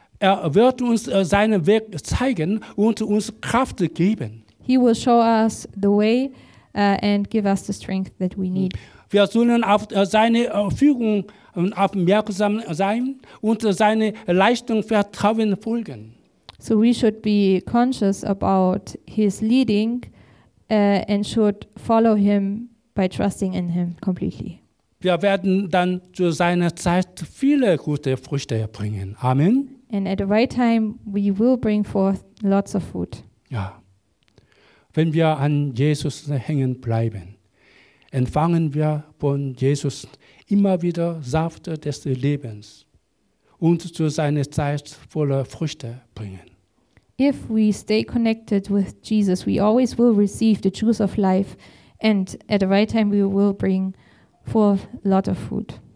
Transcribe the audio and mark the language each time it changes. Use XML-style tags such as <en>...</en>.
<de>Er wird uns seinen Weg zeigen und uns Kraft geben.</de> <en>He will show us the way and give us the strength that we need.</en> <de>Wir sollen auf seine Führung aufmerksam sein und seine Leitung vertrauen folgen.</de> <en>So we should be conscious about his leading and should follow him by trusting in him completely.</en> <de>Wir werden dann zu seiner Zeit viele gute Früchte bringen. Amen.</de> <en>And at the right time we will bring forth lots of fruit.</en> <de>Ja. Wenn wir an Jesus hängen bleiben, empfangen wir von Jesus immer wieder Saft des Lebens und zu seiner Zeit voller Früchte bringen.</de> <en>If we stay connected with Jesus, we always will receive the juice of life and at the right time we will bring forth lot of fruit.</en>